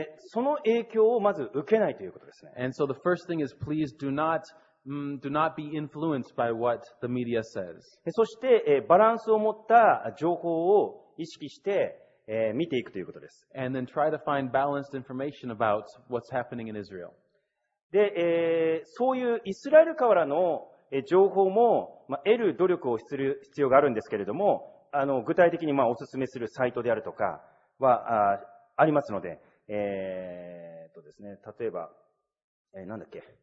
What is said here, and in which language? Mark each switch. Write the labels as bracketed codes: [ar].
[ja] その影響をまず受けないということですね。 [en] And so the first thing is please do notdo not be influenced by what the media says. [ja] そして、バランスを持った情報を意識して、見ていくということです。 [en] And then try to find balanced information about what's happening in Israel. [ja] で、そういうイスラエルからの情報も、得る努力をする必要があるんですけれども、具体的に、お勧めするサイトであるとかは、ありますので、ですね、例えば、なんだっけ。